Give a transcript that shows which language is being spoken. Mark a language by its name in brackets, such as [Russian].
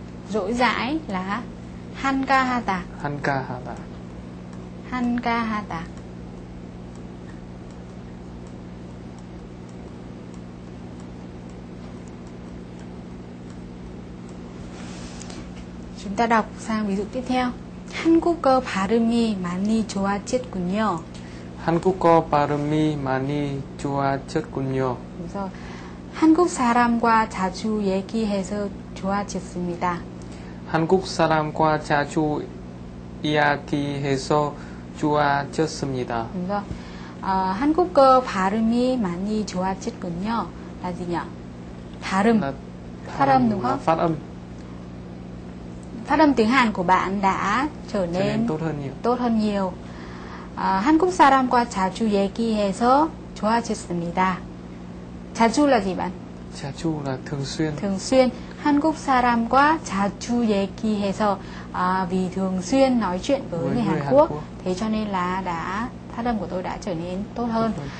[Vietnamese] rỗi rãi là 한가하다. [Korean] 한가하다. 한가하다. Chúng ta đọc sang ví dụ tiếp theo. 한국어 발음이 많이 좋아졌군요. 한국어 발음이 많이 좋아졌군요. 그래서 한국 사람과 자주 얘기해서 좋아졌습니다. 한국 사람과 자주 이야기해서 좋아졌습니다. 그래서 한국어 발음이 많이 좋아졌군요. 라지냐? 발음. 발음 누가? 발음. [Vietnamese] Phát âm tiếng Hàn của bạn đã trở nên tốt hơn nhiều. Tốt hơn nhiều. [Korean] 한국 사람과 자주 얘기해서 좋아졌습니다. [Vietnamese] 자주 là gì bạn? 자주 là thường xuyên. Thường xuyên. [Korean] 한국 사람과 자주 얘기해서 [Vietnamese] vì thường xuyên nói chuyện với người Hàn Quốc. Thế cho nên là đã phát âm của tôi đã trở nên tốt hơn.